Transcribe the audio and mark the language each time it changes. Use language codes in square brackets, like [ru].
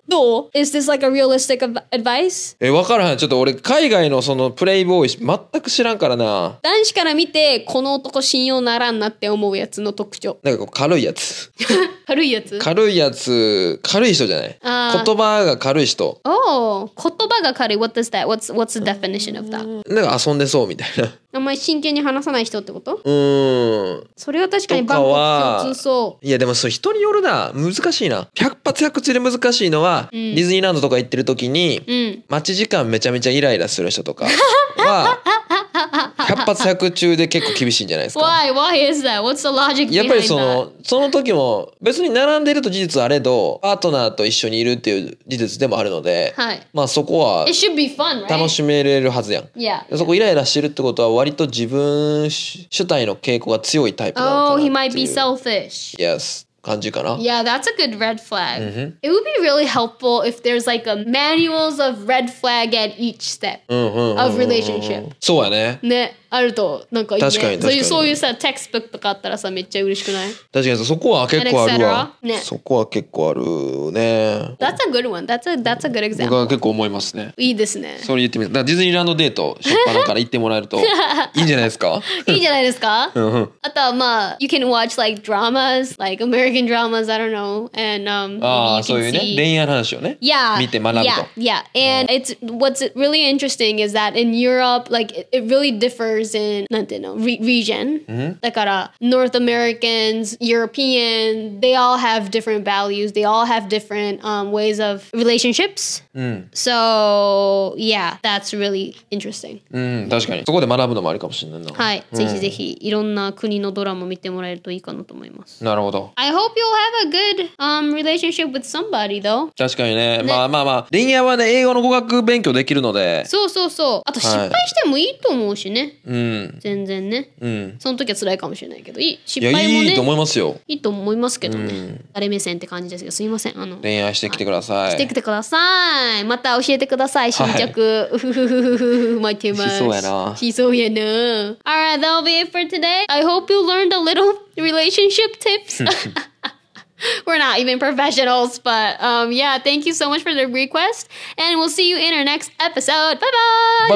[ja] どう [en] ？Is this like a realistic advice？ [ja] わからへん。ちょっと俺海外のそのプレイボーイ全く知らんからな。男子から見てこの男信用ならんなって思うやつの特徴。なんかこう軽いやつ軽いやつ、軽いやつ、軽い人じゃない、言葉が軽い人。おお、言葉が軽い。 [en] What is that? What's the definition of that? [ja] なんか遊んでそうみたいな。あんまり真剣に話さない人ってこと？うん。それは確かにバンコク共通そう。いやでもそれ人によるな。難しいな。百発百中で難しいのは、うん、ディズニーランドとか行ってる時に、うん、待ち時間めちゃめちゃイライラする人とかは百発百中で結構厳しいんじゃないですか。 [en] Why? Why is that? What's the logic behind that? [ja] やっぱりその時も別に並んでると事実あれど、パートナーと一緒にいるっていう事実でもあるので、はい、まあそこは [en] It should be fun, right? [ja] 楽しめれるはずやん。 [en] Yeah. [ja] そこイライラしてるってことは割と自分主体の傾向が強いタイプなのかなっていう。 [en] Oh, he might be selfish. Yes. [ja] 感じかな? [en] Yeah, that's a good red flag. Mm-hmm. It would be really helpful if there's like a manuals of red flag at each step of relationship. [ja] そうやね。ね、あるとなんかいいね。確かに確かに。そういうさ、テキストブックとかあったらさ、めっちゃ嬉しくない? 確かに、そこは結構あるわ。ね。そこは結構あるね。 [en] That's a good one. That's a good example. [ja] 僕は結構思いますね。いいですね。それ言ってみた。だからディズニーランドデート、初っ端から行ってもらえるといいんじゃないですか? いいじゃないですか? あとはまあ、 [en] You can watch like dramas, like American dramas, I don't know. And, [ja] ああ、そういうね。恋愛話をね。 [en] Yeah. [ja] 見て学ぶと。 [en] Yeah, yeah. And it's, what's really interesting is that in Europe, like, it really differs. In, [ja] なんていうの? [en] region. Mm-hmm. [ja] だから [en] North Americans, European, they all have different values. They all have different ways of relationships. Mm-hmm. So, yeah, that's really interesting. [ja] うん、確かに。そこで学ぶのもありかもしれないな。はい、ぜひぜひ、いろんな国のドラマ見てもらえるといいかなと思います。なるほど。 [en] I hope you'll have a good relationship with somebody, though. [ja] 確かにね。まあまあまあ、恋愛はね、英語の語学勉強できるので。そうそうそう。あと失敗してもいいと思うしね。うん、全然ね、うん、その時は辛いかもしれないけど、いい失敗もね、いや、いいと思いますよ、いいと思いますけどね、うん、誰目線って感じですけど、すいません、あの恋愛してきてください、してきてください、また教えてください、新着、はい、待ってます、しそうやな、しそうやな、 [en] Alright, that'll be it for today. I hope you learned a little relationship tips. We're not even professionals, but yeah, thank you so much for the request, and we'll see you in our next episode. Bye bye.